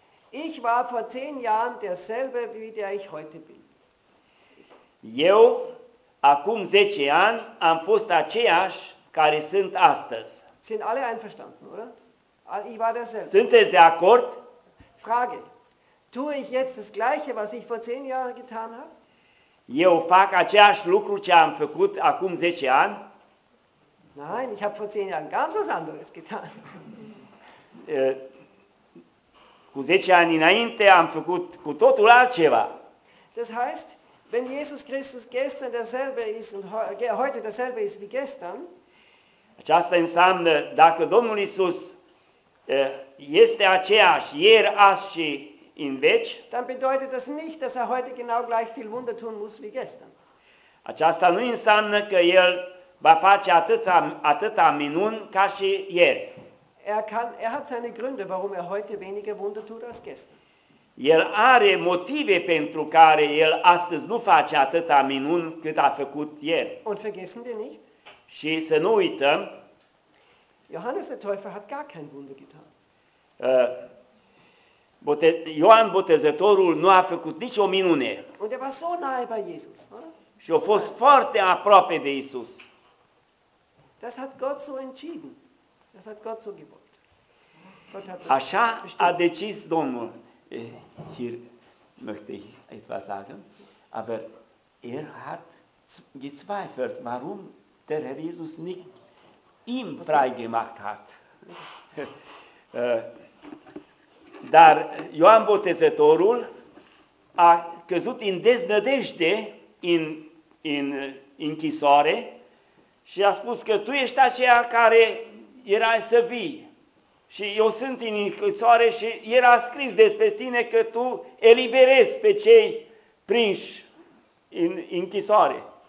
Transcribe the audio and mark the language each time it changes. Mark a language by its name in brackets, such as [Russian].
[German] Ich war vor 10 Jahren derselbe wie der ich heute bin. [Romanian] Eu acum 10 ani am fost aceeași care sunt astăzi. [German] Sind alle einverstanden, oder? Ich war derselbe. [Romanian] Sunteți de acord? [German] Frage. Tue ich jetzt das gleiche, was ich vor 10 Jahren getan habe? [Romanian] Eu fac aceeași lucru ce am făcut acum 10 ani? [German] Nein, ich habe vor 10 Jahren ganz was anderes getan. [Romanian] Cu 10 ani înainte am făcut cu totul altceva. [German] Das heißt, wenn Jesus Christus gestern derselbe ist und heute derselbe ist wie gestern, [Romanian] aceasta înseamnă dacă Domnul Iisus este aceeași ieri, azi și in veci, [German] dann bedeutet das nicht, dass er heute genau gleich viel Wunder tun muss wie gestern. [Romanian] Aceasta nu înseamnă că el va face atâta minuni ca și ieri. [German] Er hat seine Gründe, warum er heute weniger Wunder tut als gestern. [Romanian] El are motive pentru care el astăzi nu face atâta minuni cât a făcut ieri. [German] Und vergessen wir nicht? [Romanian] Și să nu uităm, [German] Johannes der Täufer hat gar kein Wunder getan. [Romanian] Ioan Botezătorul nu a făcut nicio minune. [German] Undeva so nahe bei Jesus, [Romanian] și a fost foarte aproape de Iisus. [German] Das hat Gott so entschieden. Das hat Gott so gewollt. [Romanian] Așa a decis Domnul. [German] Hier möchte ich etwas sagen. Aber hat gezweifelt, warum der Herr Jesus nicht ihm freigemacht hat. [Romanian] Dar Ioan Botezătorul a căzut în deznădejde în închisoare și a spus că tu ești aceea care erai să vii. Și eu sunt în închisoare și era scris despre tine că tu eliberezi pe cei prinși în închisoare.